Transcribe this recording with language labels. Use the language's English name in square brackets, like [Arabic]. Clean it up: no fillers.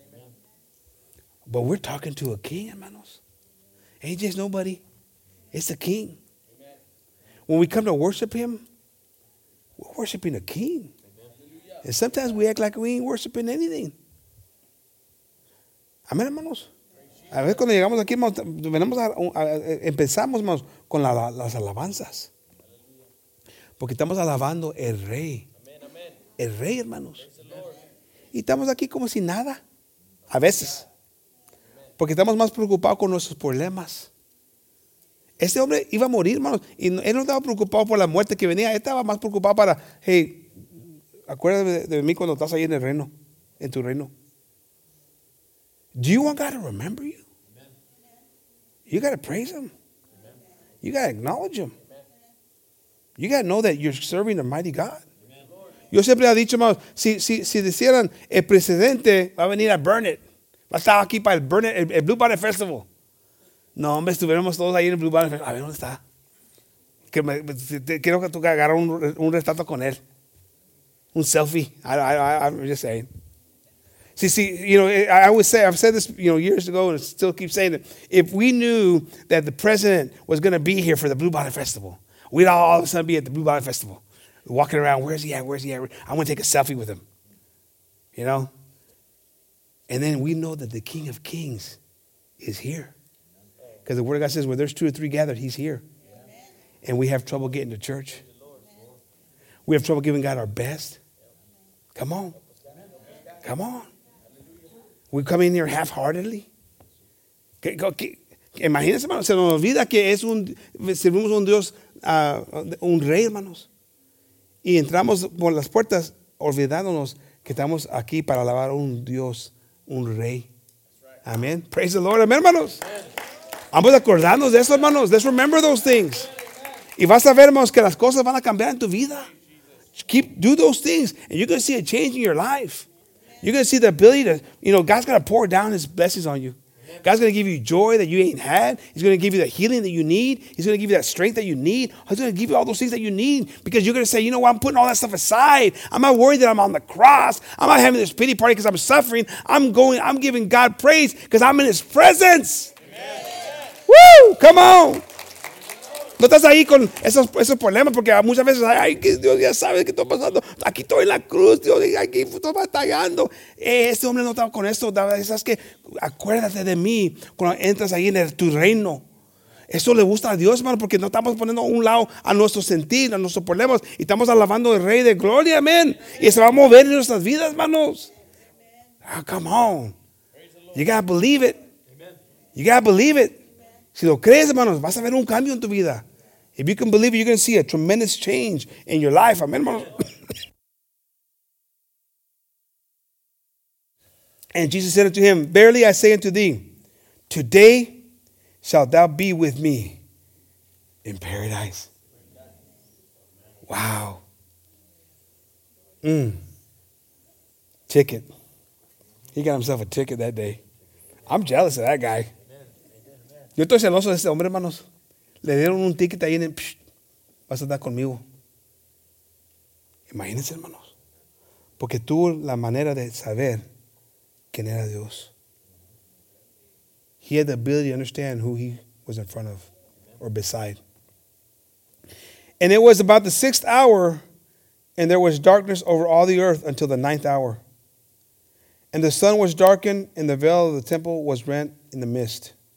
[English] Amen. But we're talking to a king, hermanos. Ain't just nobody. It's a king. Amen. When we come to worship him, we're worshiping a king. Amen. And sometimes we act like we ain't worshiping anything. Amen, hermanos. [Spanish] A veces cuando llegamos aquí, venimos empezamos, hermanos, con las alabanzas. Porque estamos alabando el Rey. El Rey, hermanos. Y estamos aquí como si nada. A veces. Porque estamos más preocupados con nuestros problemas. Este hombre iba a morir, hermanos. Y él no estaba preocupado por la muerte que venía. Él estaba más preocupado para, hey, acuérdate de mí cuando estás ahí en el reino, en tu reino. [English] Do you want God to remember you? Amen. You got to praise him. Amen. You got to acknowledge him. Amen. You got to know that you're serving the mighty God. Amen. [Spanish] Yo siempre he dicho, hermanos, si decían el presidente va a venir a burn it. Va a estar aquí para el burn it, el Blue Bonnet Festival. No, hombre, estuviéramos todos ahí en el Blue Bonnet Festival. A ver, ¿dónde está? Quiero que tú agarras un retrato con él. [English] Un selfie. I'm just saying. See, you know, I've said this, you know, years ago, and still keep saying it. If we knew that the president was going to be here for the Blue Bonnet Festival, we'd all of a sudden be at the Blue Bonnet Festival. walking around, where's he at, where's he at? I'm going to take a selfie with him, you know? And then we know that the King of Kings is here. Because the Word of God says, where there's two or three gathered, he's here. Amen. And we have trouble getting to church. Amen. We have trouble giving God our best. Come on. Come on. We come in here half-heartedly. [Spanish] Imagínense, hermanos, se nos olvida que es un servimos un Dios, un rey, hermanos. Y entramos por las puertas olvidándonos que estamos aquí para alabar a un Dios, un rey. Amén. [English] Praise the Lord. [Spanish] Amén, hermanos. Vamos a acordarnos de eso, hermanos. [English] Let's remember those things. [Spanish] Y vas a ver, hermanos, que las cosas van a cambiar en tu vida. [English] Keep, do those things, and you're going to see a change in your life. You're going to see the ability to, you know, God's going to pour down his blessings on you. God's going to give you joy that you ain't had. He's going to give you the healing that you need. He's going to give you that strength that you need. He's going to give you all those things that you need because you're going to say, you know what? I'm putting all that stuff aside. I'm not worried that I'm on the cross. I'm not having this pity party because I'm suffering. I'm giving God praise because I'm in his presence. Amen. Woo! Come on. [Spanish] No estás ahí con esos problemas porque muchas veces, ay, Dios ya sabe qué está pasando. Aquí estoy en la cruz, Dios, aquí estoy batallando. Este hombre no estaba con esto. ¿Sabes qué? Acuérdate de mí cuando entras ahí en tu reino. Eso le gusta a Dios, hermano, porque no estamos poniendo un lado a nuestro sentir, a nuestros problemas. Y estamos alabando al Rey de Gloria, amén. Y se va a mover en nuestras vidas, hermanos. [English] Oh, come on. You gotta believe it. [Spanish] You gotta believe it. Si lo crees, hermanos, vas a ver un cambio en tu vida. [English] If you can believe it, you're going to see a tremendous change in your life. [Spanish] Amen, hermanos. [English] And Jesus said unto him, verily I say unto thee, today shalt thou be with me in paradise. Wow. Mm. Ticket. He got himself a ticket that day. I'm jealous of that guy. [Spanish] Yo estoy celoso de ese hombre, hermanos. Le dieron un ticket ahí en el... Psh, vas a estar conmigo. Imagínense, hermanos. Porque tuvo la manera de saber quién era Dios. [English] He had the ability to understand who he was in front of or beside. And it was about the sixth hour and there was darkness over all the earth until the ninth hour. And the sun was darkened and the veil of the temple was rent in the mist.